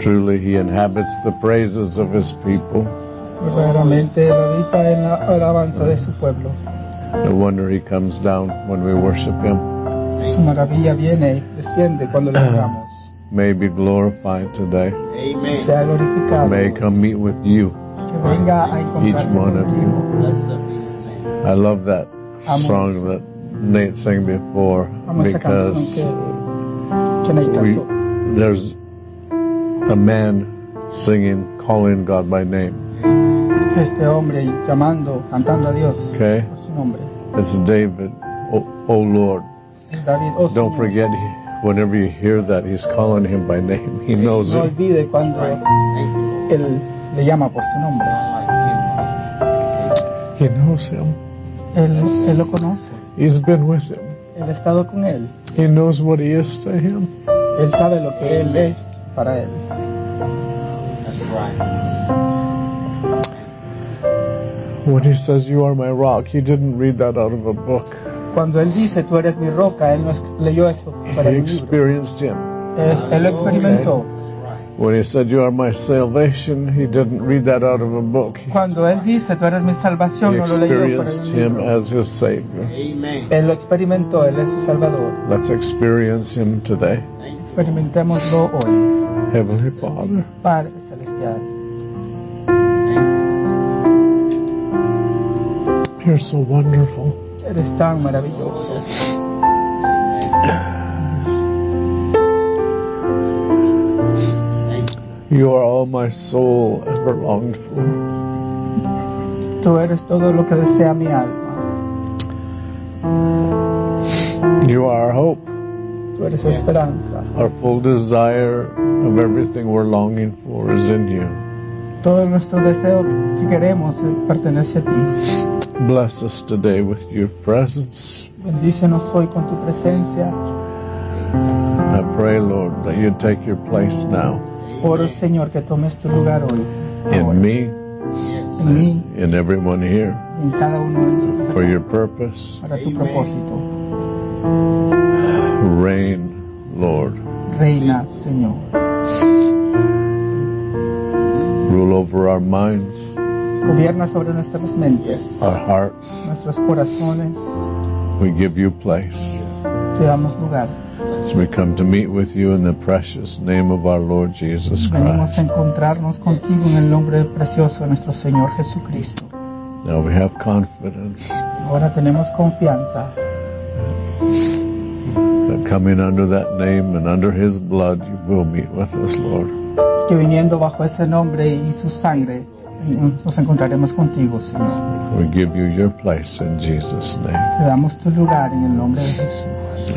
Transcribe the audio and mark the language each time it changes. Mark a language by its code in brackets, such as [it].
[en] Truly he inhabits the praises of his people. [es] Verdaderamente él habita en la alabanza de su pueblo. [en] No wonder he comes down when we worship him. [es] Su maravilla viene y desciende cuando le adoramos. [en] May be glorified today. Amen. [es] Sea glorificado. [en] May come meet with you. [es] Que venga a encontrarse [en] each one of you. I love that song that Nate sang before, because there's a man singing, calling God by name. [es] Este hombre llamando, cantando a Dios. [en] Okay. [es] Por su nombre. [en] It's David. Oh Lord. David, oh, don't forget, whenever you hear that, he's calling him by name. He knows [es] it. No olvide cuando él le llama por su nombre. [en] He knows him. [es] Él lo conoce. [en] He's been with him. [es] Él ha estado con él. [en] He knows what he is to him. [es] Él sabe lo que él es para él. [en] When he says, "You are my rock," he didn't read that out of a book. [es] Cuando él dice, "Tú eres mi roca," él no leyó eso para el libro. [en] He experienced him. [es] Él lo experimentó. [en] When he said, "You are my salvation," he didn't read that out of a book. [es] Cuando él dice, "Tú eres mi salvación," no lo leyó para el libro. [en] He experienced him as his savior. Amen. [es] Él lo experimentó. Él es su salvador. [en] Let's experience him today. [es] Experimentémoslo hoy. [en] Heavenly Father. [es] Padre celestial. [en] You're so wonderful. [es] Eres tan maravilloso. [en] You are all my soul ever longed for. [es] Tú eres todo lo que desea mi alma. [en] You are our hope. [es] Tú eres esperanza. [en] Our full desire of everything we're longing for is in you. [es] Todo nuestro deseo que queremos pertenece a ti. [en] Bless us today with your presence. [es] Bendícenos hoy con tu presencia. [en] I pray, Lord, that you take your place now. [es] Oro, Señor, que tomes tu lugar hoy. [en] In me. [es] En mí. [en] In everyone here. [es] En cada uno de nosotros. [en] For your purpose. [es] Para tu propósito. [en] Reign, Lord. [es] Reina, Señor. [en] Rule over our minds. [es] Gobierna sobre nuestras mentes. [en] Our hearts. [es] Nuestros corazones. [en] We give you place. [es] Te damos lugar. [en] So we come to meet with you in the precious name of our Lord Jesus Christ. [es] Venimos a encontrarnos contigo en el nombre precioso de nuestro Señor Jesucristo. [en] Now we have confidence. [es] Ahora tenemos confianza. [en] That coming under that name and under his blood, you will meet with us, Lord. [es] Que viniendo bajo ese nombre y su sangre, nos encontraremos contigo, Señor. [en] We give you your place in Jesus' name. [es] Te damos tu lugar en el nombre de Jesús.